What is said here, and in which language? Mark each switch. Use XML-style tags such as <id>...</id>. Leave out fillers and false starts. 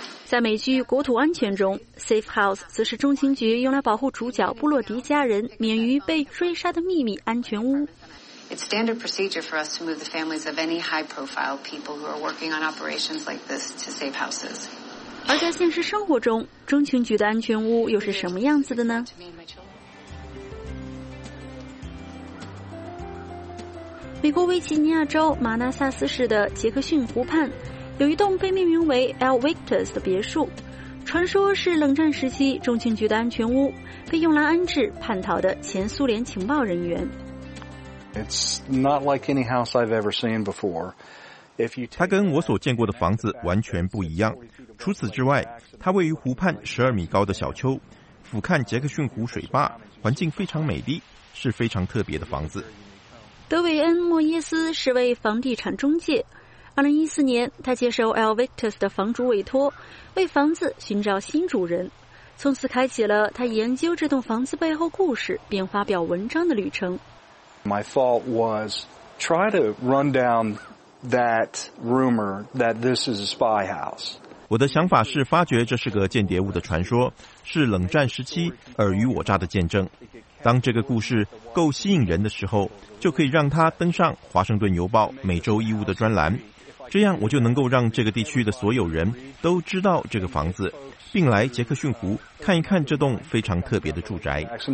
<zh>在美剧《国土安全》中 ，Safe House 则是中情局用来保护主角布洛迪家人免于被追杀的秘密安全屋。</zh> <en>It's standard procedure for us to move the families of any high-profile people who are working on operations like this to safe houses.</en> <zh>而在现实生活中，中情局的安全屋又是什么样子的呢？美国维吉尼亚州马纳萨斯市的杰克逊湖畔有一栋被命名为 El Victus 的别墅，传说是冷战时期中情局的安全屋，被用来安置叛逃的前苏联情报人员。</zh> <en>It's not like any house I've ever seen before.</en> <zh>它跟我所见过的房子完全不一样。除此之外，它位于湖畔12米高的小丘，俯瞰杰克逊湖水坝，环境非常美丽，是非常特别的房子。德韦恩·莫耶斯是位房地产中介。2014年，他接受 El Victus 的房主委托，为房子寻找新主人，从此开启了他研究这栋房子背后故事并发表文章的旅程。</zh> <en>My fault was try to run down that rumor that this is a spy house.</en> <zh>我的想法是发掘这是个间谍屋的传说，是冷战时期尔虞我诈的见证。当这个故事够吸引人的时候，就可以让它登上《华盛顿邮报》每周一屋的专栏，这样我就能够让这个地区的所有人都知道这个房子，并来杰克逊湖看一看这栋非常特别的住宅。</zh>